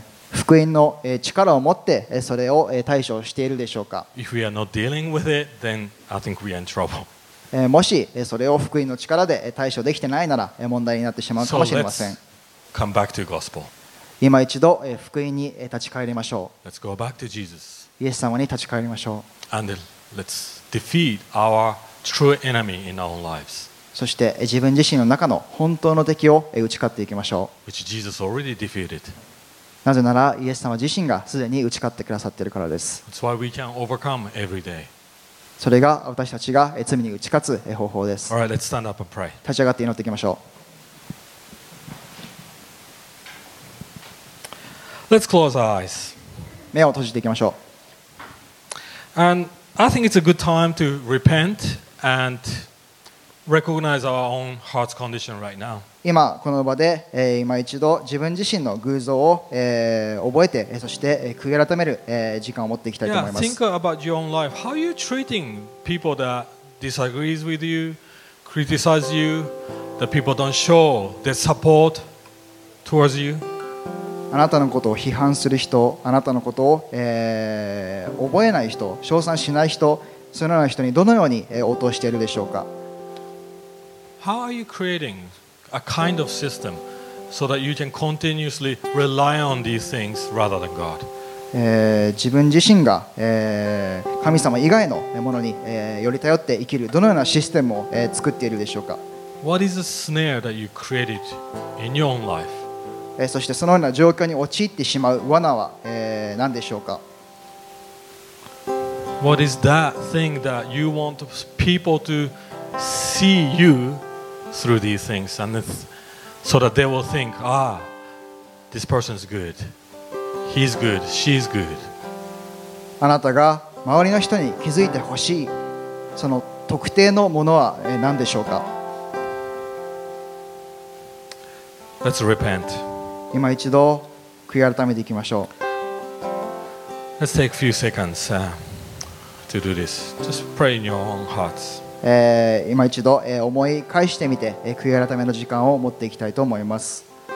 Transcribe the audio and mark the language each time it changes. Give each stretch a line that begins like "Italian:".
Japanese: 福音の力を持ってそれを対処しているでしょうか。
English: If we are not dealing with it, then I think we are in trouble.
Japanese: もしそれを福音の力で対処できてないなら問題になってしまうかもしれません。
English: So let's come back to gospel.
Japanese: 今一度福音に立ち返りましょう。
English: Let's go back to Jesus.
Japanese: イエス様に立ち返りましょう。
English: And let's defeat our true enemy in our own lives.
Japanese: そして自分自身の中の本当の敵を打ち勝っていきましょう。
English: Which Jesus already defeated.
Japanese: なぜならイエス様自身がすでに打ち勝ってくださっているからです。
English: That's why we can overcome every day.
Japanese: それが私たちが罪に打ち勝つ方法です。
English: All right, let's stand up and pray.
Japanese: 立ち上がって祈っていきましょう。
English: Let's close our eyes.
Japanese: 目を閉じていきましょう。
English: And I think it's a good time to repent and recognize our own heart's condition right now.
Japanese: 今この場で今一度自分自身の偶像を覚えてそして悔い改める時間を持っていきたいと思います。
English: Yeah, think about your own life. How are you treating people that disagree with you, criticize you, that people don't show their support towards you?
Japanese: あなたのことを批判する人、あなたのことを、覚えない人、称賛しない人、そのような人にどのように、応答しているでしょうか。
English: How are you creating a kind of system so that you can continuously rely on these things rather than God?
Japanese: 自分自身が、神様以外のものに、より頼って生きるどのようなシステムを、作っているでしょうか。
English: What is a snare that you created in your own life?
Japanese: そしてそのような状況に陥ってしまう罠は、何でしょうか。
English: What is that thing that you want people to see you through these things and so that they will think, ah, this person is good. He's good. She's good.
Japanese: あなたが周りの人に気づいてほしいその特定のものは、何でしょうか。
English: Let's repent.
Japanese: 今一度悔い改めていきましょう。
English: Let's take a few seconds, to do this. Just pray in your own hearts.
Japanese: 今一度、思い返してみて、悔い改めの時間を持っていきたいと思います。